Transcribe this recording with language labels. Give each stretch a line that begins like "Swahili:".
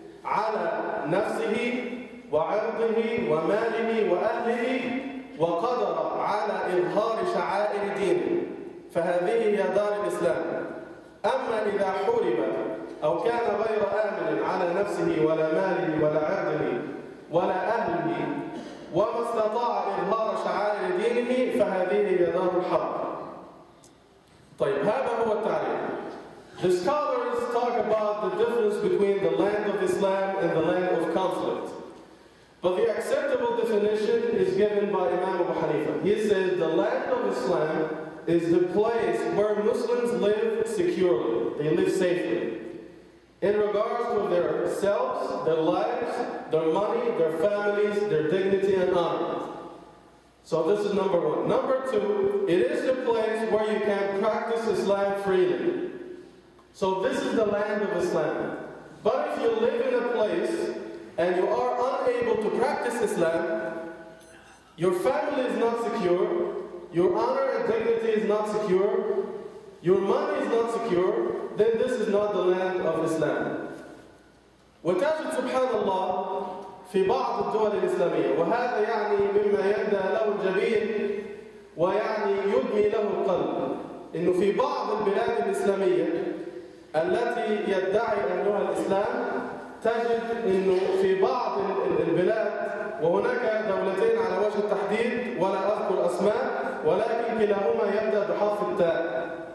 Arabic: على نفسه وعرضه وماله وأهله وقدر على إظهار شعائر دينه، فهذه هي دار الإسلام. أما إذا حرم أو كان غير آمن على نفسه ولا ماله ولا عرضه ولا أهله وما استطاع إظهار شعائر دينه فهذه هي دار الحرب. طيب هذا هو التعريف.
English: The scholars talk about the difference between the land of Islam and the land of conflict. But the acceptable definition is given by Imam Abu Hanifa. He says the land of Islam is the place where Muslims live securely. They live safely. In regards to their selves, their lives, their money, their families, their dignity and honor. So this is number one. Number two, it is the place where you can practice Islam freely. So this is the land of Islam. But if you live in a place and you are unable to practice Islam, your family is not secure, your honor and dignity is not secure, your money is not secure, then this is not the land of Islam.
Arabic: وتجد سبحان الله في بعض الدول الإسلامية وهذا يعني مما يبدأ له الجبين ويعني يدمي له القلب إنه في بعض البلاد الإسلامية التي يدعي أنها الإسلام تجد إنه في بعض البلاد وهناك دولتين على وجه التحديد ولا أذكر أسماء ولكن كلاهما يبدأ بحرف التاء